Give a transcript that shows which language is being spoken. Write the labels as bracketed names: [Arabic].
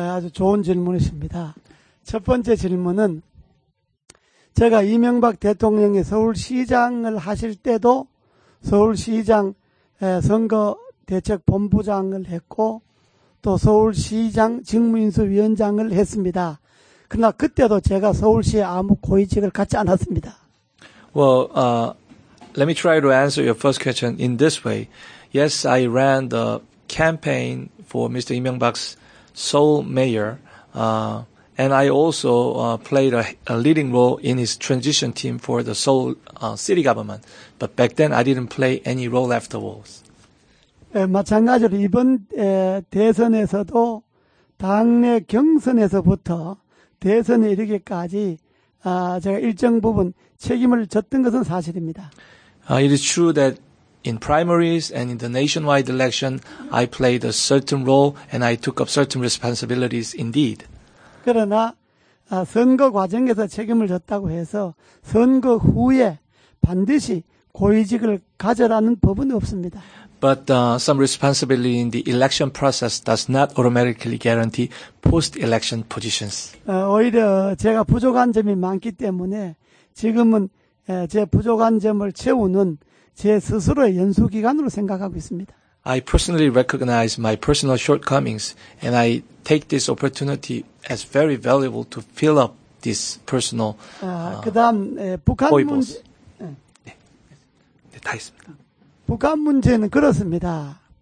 [Korean] 아주 좋은 질문이십니다. 첫 번째 질문은 제가 이명박 대통령이 서울시장을 하실 때도 서울시장 선거대책본부장을 했고 또 서울시장 직무인수위원장을 했습니다. 그러나 그때도 제가 서울시에 아무 고위직을 갖지 않았습니다. [English] Well, let me try to answer your first question in this way. Yes, I ran the campaign for Mr. 이명박's Seoul mayor, And I also played a leading role in his transition team for the Seoul city government. But back then, I didn't play any role afterwards. [Korean] 마찬가지로 이번 대선에서도 당내 경선에서부터 대선에 이르기까지 제가 일정 부분 책임을 졌던 것은 사실입니다. [English] It is true that in primaries and in the nationwide election, I played a certain role and I took up certain responsibilities indeed. [Korean] 그러나 선거 과정에서 책임을 졌다고 해서 선거 후에 반드시 고위직을 가져라는 법은 없습니다. [English] But some responsibility in the election process does not automatically guarantee post-election positions. [Korean] 오히려 제가 부족한 점이 많기 때문에 지금은 제 부족한 점을 채우는 제 스스로의 연수 기간으로 생각하고 있습니다. [English] I personally recognize my personal shortcomings and I take this opportunity as very valuable to fill up this personal [Korean] 그다음 북한 문제 네, 다 했습니다. 북한 문제는 그렇습니다.